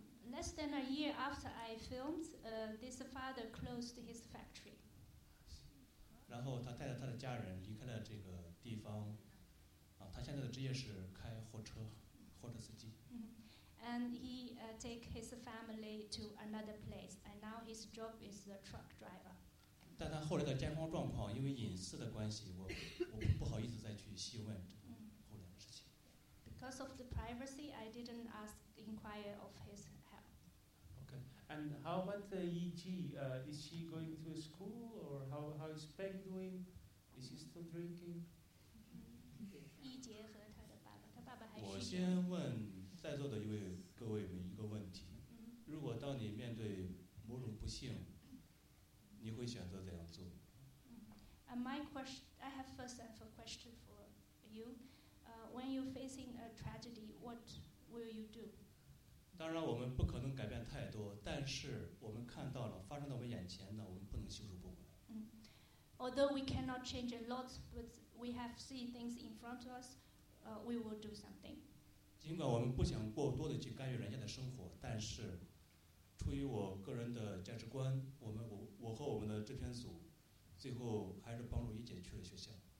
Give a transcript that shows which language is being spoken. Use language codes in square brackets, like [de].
[en] Less than a year after I filmed, this father closed his factory. [zh] 然后他带着他的家人离开了这个地方。他现在的职业是开货车，货车司机。 [en] And he take his family to another place, and now his job is the truck driver. [zh] 但他后来的健康状况，因为隐私的关系，我不好意思再去细问这后来的事情。 [en] Because of the privacy, I didn't inquire of his health. Okay. And how about EG? Is she going to school, or how is Peg doing? Is he still drinking? [zh] 易杰和他的爸爸，他爸爸还是。我先问在座的一位各位们一个问题：如果当你面对某种不幸，你会选择怎样做？ [en] I have first of a question for you. When you're facing a tragedy, what will you do? [zh] 当然，我们不可能改变太多，但是我们看到了发生在我们眼前的，我们不能袖手旁观。 [en] Although we cannot change a lot, but we have seen things in front of us, we will do something. [zh] 尽管我们不想过多的去干预人家的生活，但是出于我个人的价值观，我和我们的制片组最后还是帮助一姐去了学校。